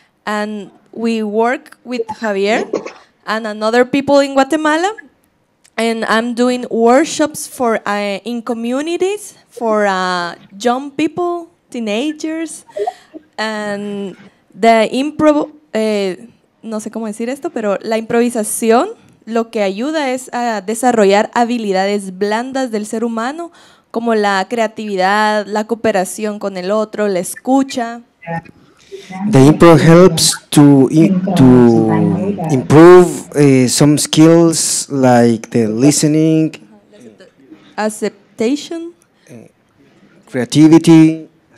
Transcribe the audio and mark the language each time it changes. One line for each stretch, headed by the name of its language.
English: And we work with Javier and another people in Guatemala. And I'm doing workshops for in communities for young people, teenagers, and the improv.
Spanish: No sé cómo decir esto, pero la improvisación lo que ayuda es a desarrollar habilidades blandas del ser humano, como la creatividad, la cooperación con el otro, la escucha.
English: The improv helps to improve some skills like the listening, acceptation, creativity.